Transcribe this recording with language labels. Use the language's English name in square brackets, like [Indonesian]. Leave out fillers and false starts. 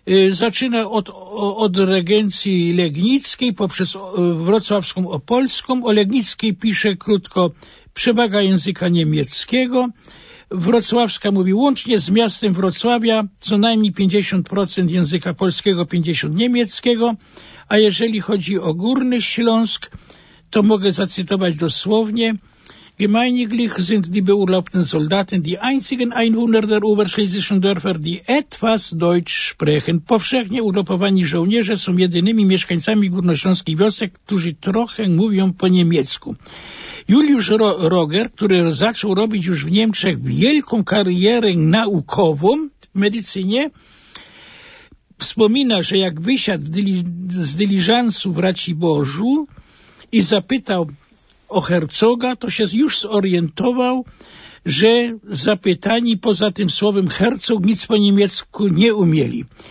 [Polish] Zaczyna od regencji legnickiej poprzez wrocławską opolską. O legnickiej pisze krótko: przewaga języka niemieckiego. Wrocławska mówi: łącznie z miastem Wrocławia co najmniej 50% języka polskiego, 50% niemieckiego. A jeżeli chodzi o Górny Śląsk, to mogę zacytować dosłownie: [German] Gemeiniglich sind die beurlaubten Soldaten die einzigen Einwohner der oberschlesischen Dörfer, die etwas Deutsch sprechen. [Polish] Powszechnie urlopowani żołnierze są jedynymi mieszkańcami górnośląskich wiosek, którzy trochę mówią po niemiecku. Juliusz Roger, który zaczął robić już w Niemczech wielką karierę naukową w medycynie, wspomina, że jak wysiadł z dyliżansu w Raciborzu i zapytał o hercoga, to się już zorientował, że zapytani poza tym słowem hercog nic po niemiecku nie umieli.